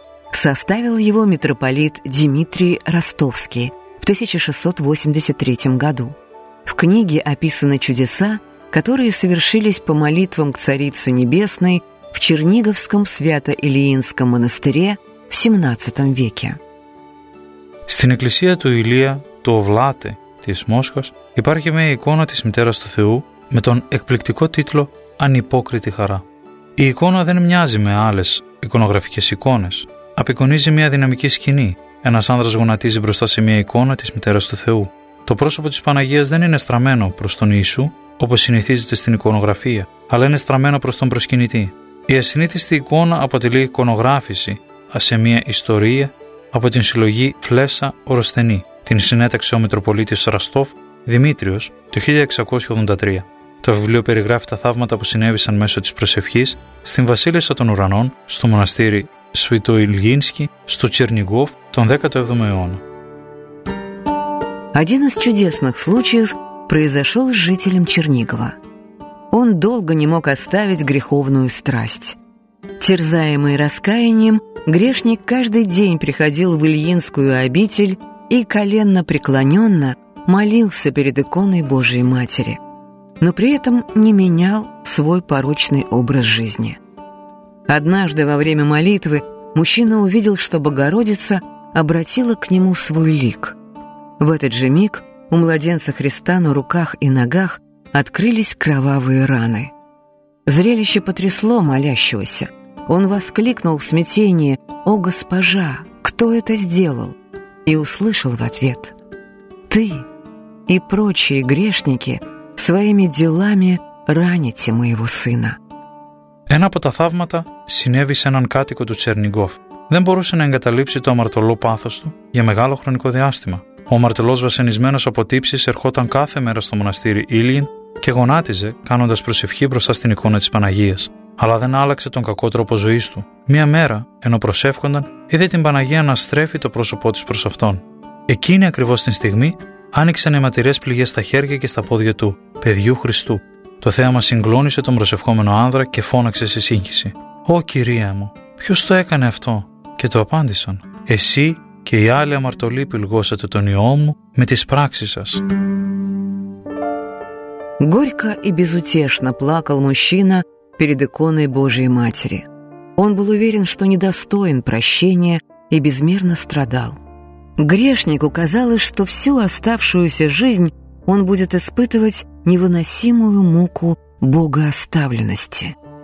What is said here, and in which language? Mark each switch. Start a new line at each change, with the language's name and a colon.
Russian: Составил его митрополит Дмитрий Ростовский в 1683 году. В книге описаны чудеса, которые совершились по молитвам к Царице Небесной в Черниговском Свято-Илиинском монастыре в XVII веке.
Greek: Στην εκκλησία του Илия, του Овлати, της Μόσχας, υπάρχει μια εικόνα της Μητέρας του Θεού με τον εκπληκτικό τίτλο «Ανυπόκριτη χαρά». Η εικόνα δεν μοιάζει με άλλες εικονογραφικές εικόνες. Απεικονίζει μια δυναμική σκηνή. Ένας άνδρας γονατίζει μπροστά σε μια εικόνα της Μητέρας του Θεού. Το πρόσωπο της Παναγίας δεν είναι στραμμένο προς τον Ιησού, όπως συνηθίζεται στην εικονογραφία, αλλά είναι στραμμένο προς τον προσκυνητή. Η ασυνήθιστη εικόνα αποτελεί εικονογράφηση σε μια ιστορία από την συλλογή «Φλέσσα Οροσθενή». Την συνέταξε ο Μητροπολίτης Ραστόφ Δημήτριος το 1683. Το βιβλίο περιγράφει τα θαύματα που συνέβησαν μέσω της προσευχής στην Βασίλισσα των Ουρανών, στο μοναστήρι Σβιτοϊλγίνσκι, στο Τσερνιγκόφ τον 17ο αιώνα.
Russian: Один из чудесных случаев произошел с жителем Чернигова. Он долго не мог оставить греховную страсть. Терзаемый раскаянием, грешник каждый день приходил в Ильинскую обитель и коленно преклоненно молился перед иконой Божией Матери, но при этом не менял свой порочный образ жизни. Однажды во время молитвы мужчина увидел, что Богородица обратила к нему свой лик. В этот же миг у младенца Христа на руках и ногах открылись кровавые раны. Зрелище потрясло молящегося. Он воскликнул в смятении: «О, госпожа, кто это сделал?» И услышал в ответ: «Ты и прочие грешники своими делами раните моего сына».
Greek: Ένα από τα θαύματα συνέβη σε έναν κάτοικο του Τσερνιγκόφ. Δεν μπορούσε να εγκαταλείψει το αμαρτωλό πάθος του για μεγάλο χρονικό διάστημα. Ο αμαρτωλός βασανισμένος από τύψεις ερχόταν κάθε μέρα στο μοναστήρι Ήλιν και γονάτιζε κάνοντας προσευχή μπροστά στην εικόνα της Παναγίας. Αλλά δεν άλλαξε τον κακό τρόπο ζωής του. Μία μέρα, ενώ προσεύχονταν, είδε την Παναγία να στρέφει το πρόσωπό της προς αυτόν. Εκείνη ακριβώς την στιγμή άνοιξαν οι ματηρές πληγές στα χέρια και στα πόδια του παιδιού Χριστού. Το θέαμα συγκλώνησε τον προσευχόμενο άνδρα και φώναξε σε σύγχυση: «Ω Κυρία μου, ποιος το έκανε αυτό?» Και του απάντησαν: «Εσύ και οι άλλοι αμαρτωλοί πηλγώσατε τον Υιό μου με τις πράξεις σας».
Russian: Горько и безутешно плакал мужчина перед иконой Божией Матери. Он был уверен, что недостоин прощения и безмерно страдал. Грешнику казалось, что всю оставшуюся жизнь он будет испытывать невыносимую муку богооставленности.